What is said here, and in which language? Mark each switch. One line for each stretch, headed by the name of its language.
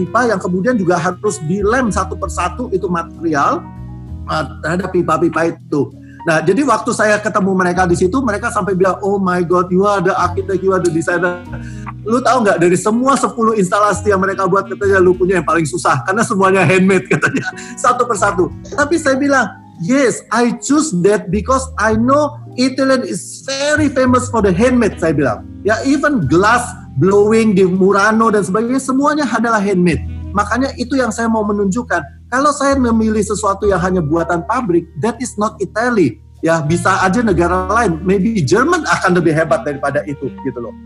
Indonesian: Pipa yang kemudian juga harus dilem satu persatu itu material terhadap pipa-pipa itu. Nah, jadi waktu saya ketemu mereka di situ, mereka sampai bilang,
English: oh my god, you are the architect, you are the designer.
Indonesian: Lu tahu nggak, dari semua 10 instalasi yang mereka buat, katanya lu punya yang paling susah, karena semuanya handmade, katanya, satu persatu. Tapi saya bilang,
English: yes, I choose that because I know Italy is very famous for the handmade,
Indonesian: saya bilang. Ya, even glass blowing di Murano dan sebagainya, semuanya adalah handmade. Makanya itu yang saya mau menunjukkan, Kalau saya memilih sesuatu yang hanya buatan pabrik,
English: that is not Italy.
Indonesian: Ya, bisa aja negara lain, maybe Jerman akan lebih hebat daripada itu, gitu loh.